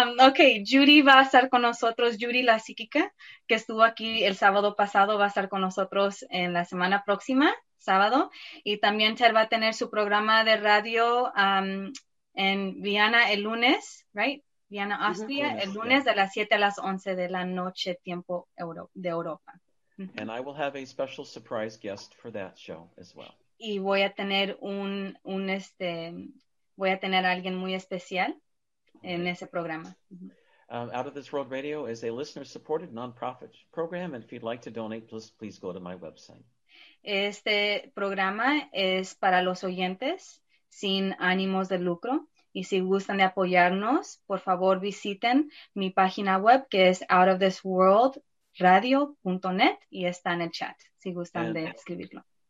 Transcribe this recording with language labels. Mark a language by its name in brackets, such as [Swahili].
[Spanish] okay, Judy va a estar con nosotros, Judy la psíquica, que estuvo aquí el sábado pasado, va a estar con nosotros en la semana próxima, sábado, y también Ter va a tener su programa de radio en Vienna el lunes, [English] right? [Spanish] Vienna, Austria, el lunes de las 7 a las 11 de la noche, tiempo de Europa. [English] And I will have a special surprise guest for that show as well. [Spanish] Y voy a tener a alguien muy especial en ese programa. [English] Out of This World Radio is a listener-supported nonprofit program, and if you'd like to donate, please go to my website. [Spanish] Este programa es para los oyentes sin ánimos de lucro, y si gustan de apoyarnos, por favor visiten mi página web, que es Out of This World radio.net, y está en el chat si gustan de escribirlo.